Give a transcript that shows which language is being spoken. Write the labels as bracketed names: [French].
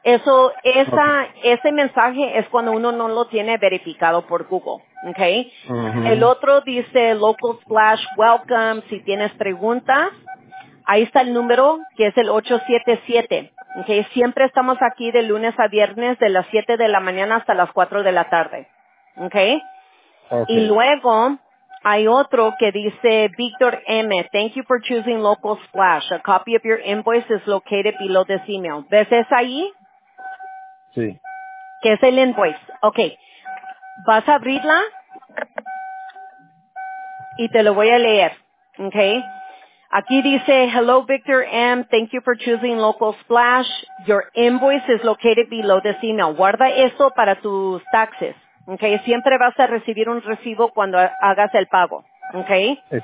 [Spanish] Ese mensaje es cuando uno no lo tiene verificado por Google, ¿ok? Uh-huh. El otro dice Local Splash Welcome, si tienes preguntas. Ahí está el número, que es el 877, ¿ok? Siempre estamos aquí de lunes a viernes de las 7 de la mañana hasta las 4 de la tarde, ¿ok? Y luego hay otro que dice, [English] Victor M, thank you for choosing Local Splash. A copy of your invoice is located below this email. [Spanish] ¿Ves ese ahí? Sí. ¿Qué es el invoice? Ok. Vas a abrirla y te lo voy a leer. [English] Ok. [Spanish] Aquí dice, [English] hello, Victor M, thank you for choosing Local Splash. Your invoice is located below this email. [Spanish] Guarda eso para tus taxes. Okay, siempre vas a recibir un recibo cuando hagas el pago, okay.